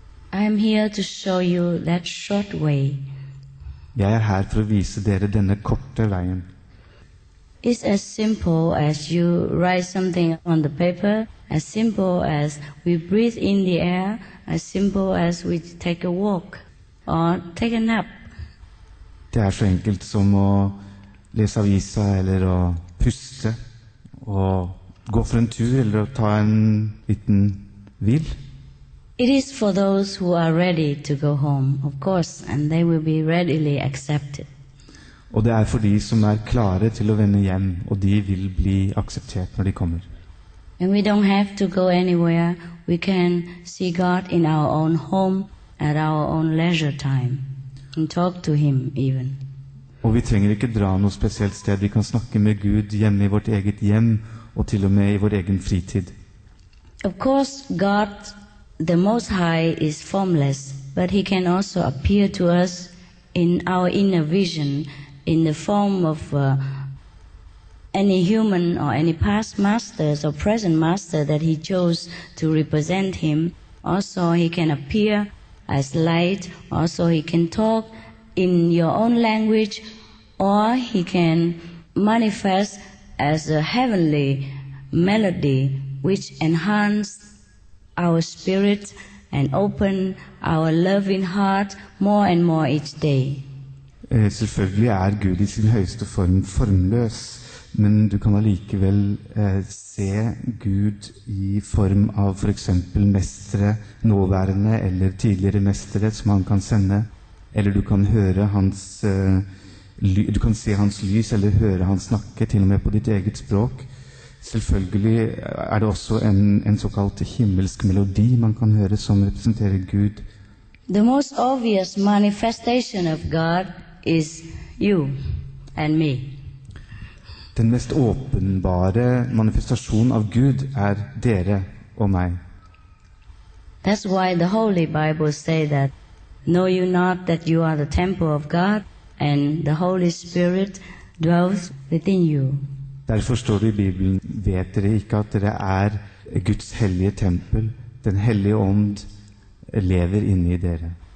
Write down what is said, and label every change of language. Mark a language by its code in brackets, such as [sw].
[en] I'm here to show you that short way. [no] Jeg er her for å vise dere denne korte veien. [en] It's as simple as you write something on the paper, as simple as we breathe in the air, as simple as we take a walk or take a nap. [no] Det er så enkelt som å läsa avisa eller å puste og gå for en tur eller ta en liten hvil. [en] It is for those who are ready to go home, of course, and they will be readily accepted. [no] Og det er for de som er klare til å vende hjem, og de vil bli akseptert når de kommer. [en] And we don't have to go anywhere. We can see God in our own home at our own leisure time and talk to him even. [no] Og vi trenger ikke dra noe spesielt sted. Vi kan snakke med Gud hjemme i vårt eget hjem og til og med i vår egen fritid. [en] Of course, God, the Most High, is formless, but he can also appear to us in our inner vision in the form of any human or any past masters or present master that he chose to represent him. Also, he can appear as light. Also, he can talk in your own language, or he can manifest as a heavenly melody which enhances our spirit and open our loving heart more and more each day. [no] Selvfølgelig er Gud i sin høyeste form formløs, men du kan allikevel se Gud i form av for eksempel mestre, nåværende eller tidligere mestre som han kan sende. Eller du kan høre hans du kan se hans lys eller høre han snakke til og med på ditt eget språk. Selvfølgelig er det også en såkalt himmelsk melodi man kan høre som representerer Gud. [en] The most obvious manifestation of God is you and me. [no] Den mest åpenbare manifestasjon av Gud er dere og meg. [en] That's why the Holy Bible say that know you not that you are the temple of God and the Holy Spirit dwells within you? [no] Därför står det i Bibeln, vet dere ikke at dere er Guds hellige tempel? Den hellige ånd lever inni dere.